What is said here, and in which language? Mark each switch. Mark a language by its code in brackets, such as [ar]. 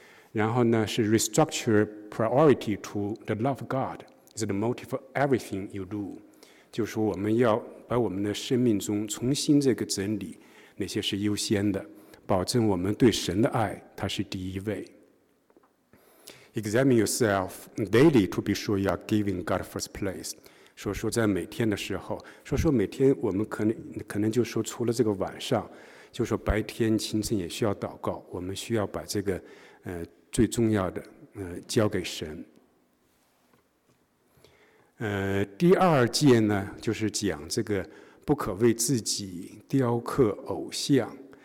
[zh] 然后呢是 [en] restructure priority to the love of God is the motive for everything you do， [zh] 就是我们要把我们的生命中重新这个整理哪些是优先的，保证我们对神的爱它是第一位。 [en] Examine yourself daily to be sure you are giving God first place。 [zh] 所以说在每天的时候，所以说每天我们可能就说除了这个晚上，就是说白天清晨也需要祷告，我们需要把这个最重要的交给神。第二戒呢就是讲这个不可为自己雕刻偶像。